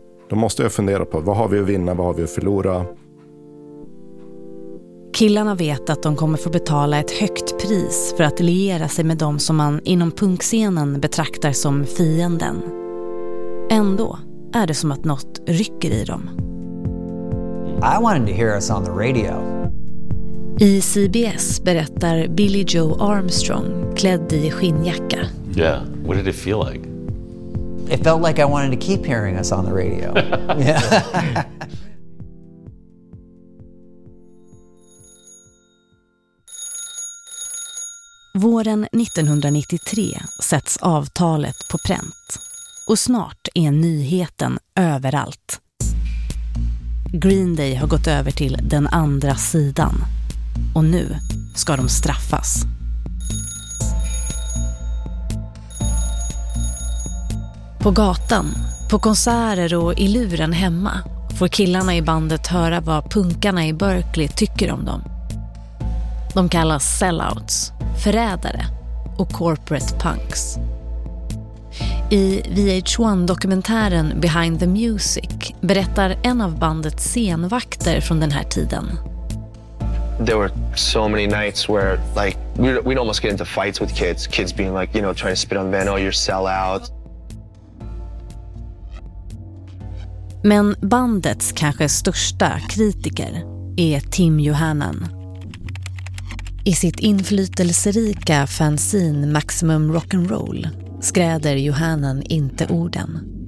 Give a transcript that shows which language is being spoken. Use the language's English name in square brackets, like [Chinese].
[Swedish] Då måste jag fundera på, vad har vi att vinna, vad har vi att förlora? Killarna vet att de kommer få betala ett högt pris för att liera sig med dem som man inom punkscenen betraktar som fienden. Ändå är det som att något rycker i dem. [English] I wanted to hear us on the radio. [Swedish] I CBS berättar Billy Joe Armstrong klädd i skinnjacka. [English] Yeah, what did it feel like? It felt like I wanted to keep hearing us on the radio. Yeah. [Swedish] Våren 1993 sätts avtalet på pränt. Och snart är nyheten överallt. Green Day har gått över till den andra sidan. Och nu ska de straffas. På gatan På konserter och i luren hemma får killarna i bandet höra vad punkarna i Berkeley tycker om dem. De kallas sellouts, förrädare och [English] corporate punks. [Swedish] I VH1-dokumentären Behind the Music berättar en av bandets scenvakter från den här tiden. [English] There were so many nights where like we'd almost get into fights with kids. Kids being like, you know, trying to spit on the band, oh, you're sellout. [Swedish] Men bandets kanske största kritiker är Tim Johannan. I sitt inflytelserika fanzine Maximum Rock'n'Roll skräder Johannan inte orden.